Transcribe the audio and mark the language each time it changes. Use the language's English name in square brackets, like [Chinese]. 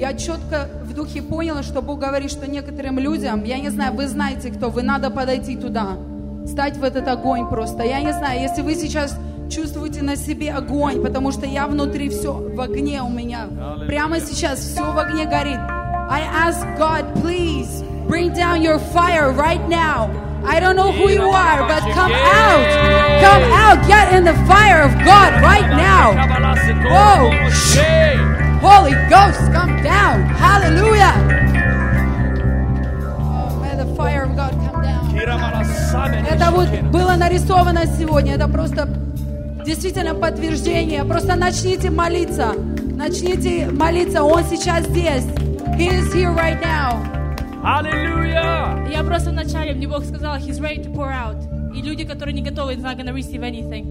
[Russian] Я четко в духе поняла, что Бог говорит, что некоторым людям, я не знаю, вы знаете кто, вы надо подойти туда, встать в этот огонь просто. Я не знаю, если вы сейчас чувствуете на себе огонь, потому что я внутри все в огне у меня. Прямо сейчас все в огне горит. [English] I ask God, please, bring down your fire right now. I don't know who you are, but come out. Come out, get in the fire of God right now. Oh, Holy Ghost, come down. Hallelujah. Oh, may the fire of God come down. [Russian] Это вот было нарисовано сегодня. Это просто действительно подтверждение. Просто начните молиться. Начните молиться. Он сейчас здесь. [English] He is here right now. Hallelujah. [Russian] Я просто вначале, мне Бог сказал, [English] He's ready to pour out. [Russian] И люди, которые не готовы, [English] He's not going to receive anything.